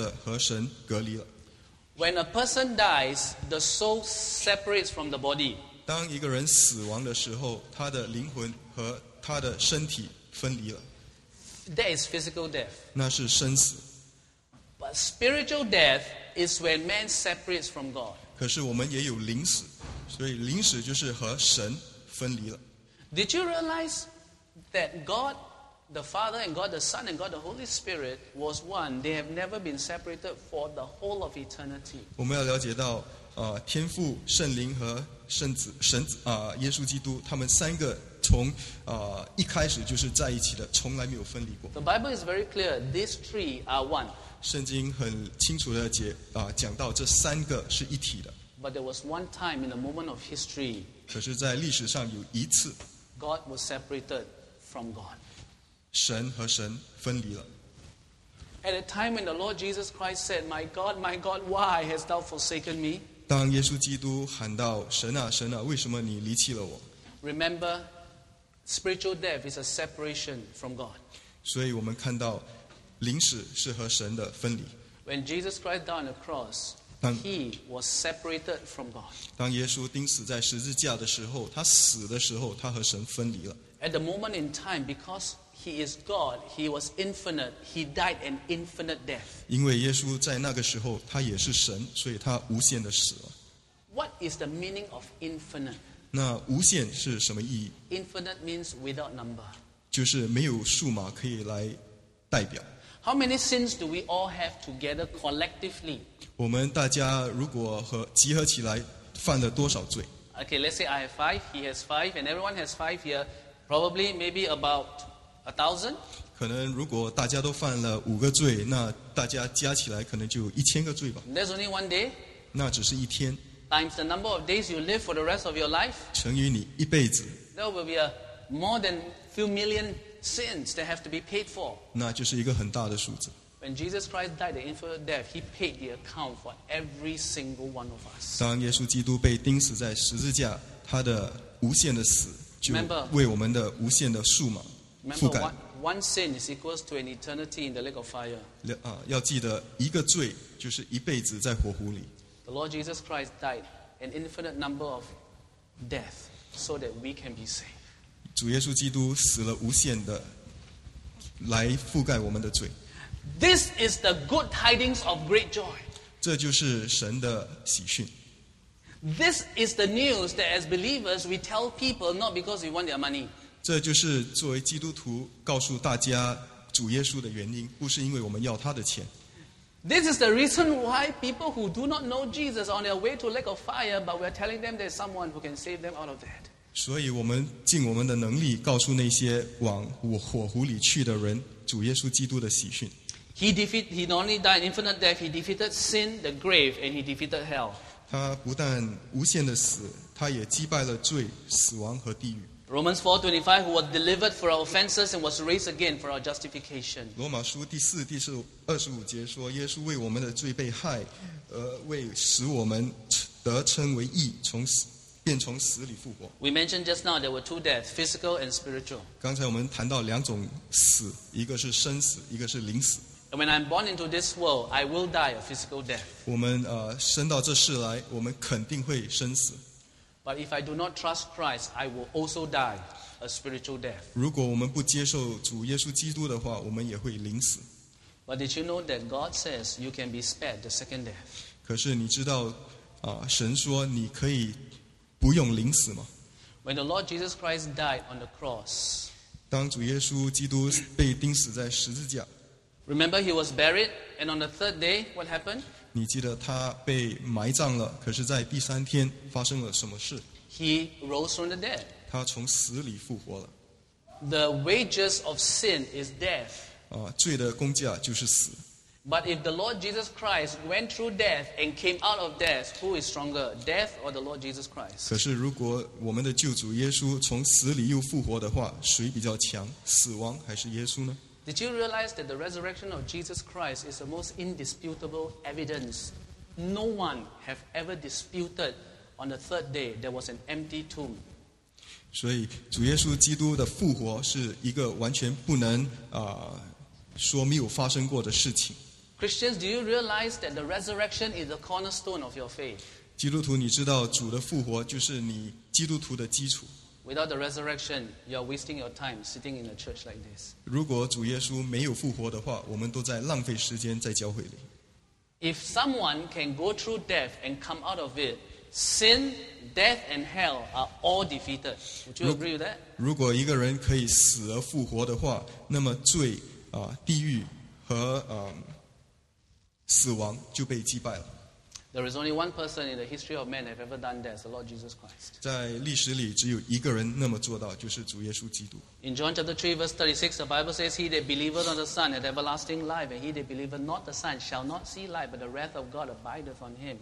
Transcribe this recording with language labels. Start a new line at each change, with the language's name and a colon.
Chinese: 死亡就是代表着和神隔离了。
English: When a person dies, the soul separates from the body.
Chinese: 当一个人死亡的时候，他的灵魂和他的身体分离了。
English: That is physical death.
Chinese: 那是生死。
English: But spiritual death is when man separates from God.
Chinese: 可是我们也有灵死, 所以灵死就是和神分离了。
English: Did you realize that God the Father and God the Son and God the Holy Spirit was one? They have never been separated for the whole of eternity.
Chinese: 我们要了解到, 天父, 圣灵和圣子, 神子, 耶稣基督, 他们三个从一开始就是在一起的，从来没有分离过。
English: The Bible is very clear. These three are one.
Chinese: 圣经很清楚的讲到这三个是一体的。
English: But there was one time in a moment of history.
Chinese: 可是，在历史上有一次
English: ，God was separated from God.
Chinese: 神和神分离了。
English: At a time when the Lord Jesus Christ said, my God, why hast thou forsaken me?
Chinese: 当耶稣基督喊道，神啊，神啊，为什么你离弃了我？
English: Remember, spiritual death is a separation from God.
Chinese: 所以我们看到，灵死是和神的分离。
English: When Jesus Christ died on the cross, he was separated from God.
Chinese: 当耶稣钉死在十字架的时候，他死的时候，他和神分离了。
English: At the moment in time, because He is God. He was infinite. He died an infinite death.
Chinese: 因为耶稣在那个时候，他也是神，所以他无限的死了。
English: What is the meaning of infinite?
Chinese: 那无限是什么意义？
English: Infinite means without number.
Chinese: 就是没有数码可以来代表。
English: How many sins do we all have together collectively?
Chinese: 我们大家如果和集合起来，犯了多少罪？
English: Okay, let's say I have five. He has five, and everyone has five here. Probably, maybe about 1,000?
Chinese: 可能如果大家都犯了五个罪，那大家加起来可能就一千个罪吧。
English: That's only one day.
Chinese: 那只是一天。
English: Times the number of days you live for the rest of your life.
Chinese: 乘以你一辈子。
English: There will be a more than few million sins that have to be paid for.
Chinese: 那就是一个很大的数字。
English: When Jesus Christ died the infinite death, He paid the account for every single one of us.
Chinese: 当耶稣基督被钉死在十字架，他的无限的死就为我们的无限的数码。
English: Remember, one sin is equals to an eternity in the lake of fire.
Chinese: 要记得一个罪就是一辈子在火湖里。
English: The Lord Jesus Christ died an infinite number of death so that we can be saved.
Chinese: 主耶稣基督死了无限的，来覆盖我们的罪。
English: This is the good tidings of great joy.
Chinese: 这就是神的喜讯。
English: This is the news that as believers we tell people not because we want their money.
Chinese: 这就是作为基督徒告诉大家主耶稣的原因，不是因为我们要他的钱。
English: This is the reason why people who do not know Jesus are on their way to lake of fire, but we are telling them there's someone who can save them out of that.
Chinese: 所以我们尽我们的能力告诉那些往火湖里去的人主耶稣基督的喜讯。
English: He not only died infinite death, he defeated sin, the grave, and he defeated hell.
Chinese: 他不但无限的死，他也击败了罪、死亡和地狱。
English: Romans 4:25, who was delivered for our offenses and was raised again for our justification.
Chinese: 罗马书第四第十二十五节说，耶稣为我们的罪被害，为使我们得称为义，便从死里复活。
English: We mentioned just now there were two deaths, physical and spiritual.
Chinese: 刚才我们谈到两种死，一个是生死，一个是灵死。
English: And when I'm born into this world, I will die a physical death.
Chinese: 我们生到这世来，我们肯定会生死。
English: But if I do not trust Christ, I will also die a spiritual death.
Chinese: 如果我们不接受主耶稣基督的话，我们也会临死。
English: But did you know that God says you can be spared the second death?
Chinese: 可是你知道，神说你可以不用临死吗？
English: When the Lord Jesus Christ died on the cross,
Chinese: 当主耶稣基督被钉死在十字架。
English: Remember he was buried, and on the third day, what happened?
Chinese: 你记得他被埋葬了，可是在第三天发生了什么事？
English: He rose from the dead.
Chinese: 他从死里复活了。
English: The wages of sin is death.
Chinese: 罪的工价就是死。
English: But if the Lord Jesus Christ went through death and came out of death, who is stronger, death or the Lord Jesus Christ?
Chinese: 可是如果我们的救主耶稣从死里又复活的话，谁比较强，死亡还是耶稣呢？
English: Did you realize that the resurrection of Jesus Christ is the most indisputable evidence? No one has ever disputed on the third day there was an empty tomb.
Chinese: 所以主耶稣基督的复活是一个完全不能说没有发生过的事情。
English: Christians, do you realize that the resurrection is the cornerstone of your faith?
Chinese: 基督徒，你知道主的复活就是你基督徒的基础。
English: Without the resurrection, you are wasting your time sitting in a church like this.
Chinese: 如果主耶稣没有复活的话，我们都在浪费时间在教会里。
English: If someone can go through death and come out of it, sin, death, and hell are all defeated. Would you agree with that?
Chinese: 如果一个人可以死而复活的话，那么罪、地狱和死亡就被击败了。
English: There is only one person in the history of man that have ever done that, the Lord Jesus Christ.
Chinese: 在历史里, 只有一个人那么做到, 就是主耶稣基督。
English: In John chapter 3, verse 36, the Bible says, He that believeth on the Son hath everlasting life, and he that believeth not the Son shall not see life, but the wrath of God abideth on him.